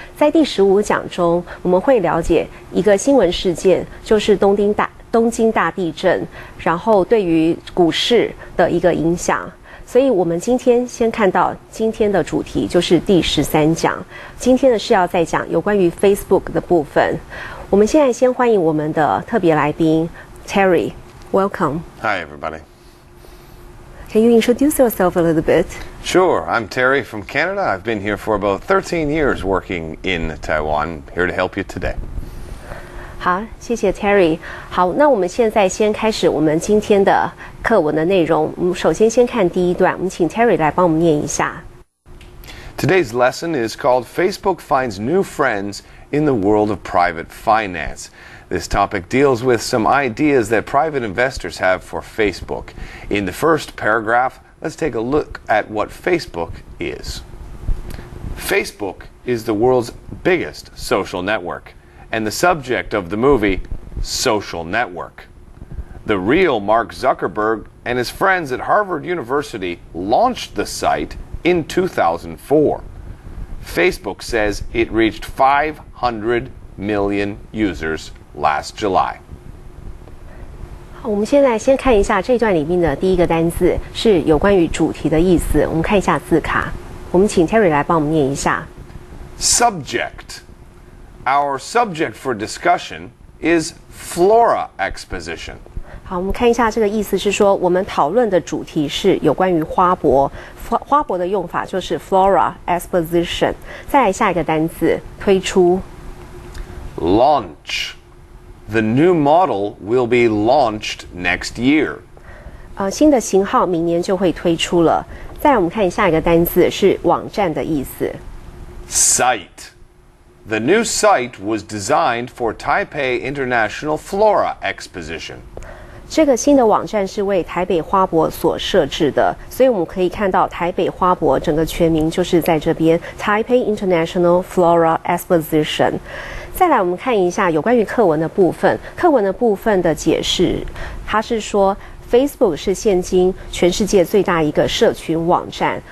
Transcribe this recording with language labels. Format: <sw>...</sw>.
<zh>在第十五讲中，我们会了解一个新闻事件，就是东京大地震，然后对于股市的一个影响。所以我们今天先看到今天的主题，就是第十三讲。今天的是要再讲有关于 Facebook 的部分。我们现在先欢迎我们的特别来宾 Terry， welcome。</zh> <en>Hi everybody。 Can you introduce yourself a little bit? Sure. I'm Terry from Canada. I've been here for about 13 years working in Taiwan. Here to help you today.</en> <zh>好，谢谢 Terry. 好，那我们现在先开始我们今天的课文的内容。我们首先先看第一段，我们请 Terry 来帮我们念一下。</zh> <en>Today's lesson is called Facebook Finds New Friends in the World of Private Finance. This topic deals with some ideas that private investors have for Facebook. In the first paragraph, let's take a look at what Facebook is. Facebook is the world's biggest social network, and the subject of the movie, Social Network. The real Mark Zuckerberg and his friends at Harvard University launched the site in 2004. Facebook says it reached 500 million users. Last July.</en> <zh>好，我们现在先看一下这段里面的第一个单字是有关于主题的意思。我们看一下字卡，我们请 Terry 来帮我们念一下。</zh> <en>Subject. Our subject for discussion is Flora Exposition.</en> <zh>好，我们看一下这个意思是说，我们讨论的主题是有关于花博。花博的用法就是 Flora Exposition. 再来下一个单字，推出。</zh> <en>Launch. The new model will be launched next year.</en> <zh>新的型号明年就会推出了。再来我们看下一个单字是网站的意思。</zh> <en>Site. The new site was designed for Taipei International Flora Exposition.</en> <zh>这个新的网站是为台北花博所设置的，所以我们可以看到台北花博整个全名就是在这边 Taipei International Flora Exposition。再来我们看一下有关于课文的部分。课文的部分的解释，它是说 Facebook 是现今全世界最大一个社群网站。</zh>